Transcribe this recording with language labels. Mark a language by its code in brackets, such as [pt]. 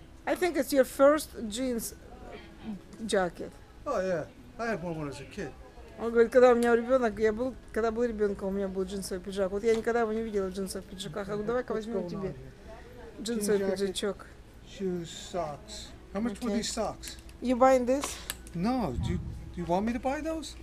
[en] I think it's your first jeans jacket. Oh, yeah. I had one when I was a kid. [ru] Он говорит, когда у меня ребенок, я был... Когда был ребенком, у меня был джинсовый пиджак. Вот я никогда его не видела в джинсовых пиджаках. [en] Yeah, [ru] давай-ка возьмем тебе джинсовый [en] jacket, [ru] пиджачок. [en] Shoes, socks. How much were these socks? You buying this? No. Do you want me to buy those?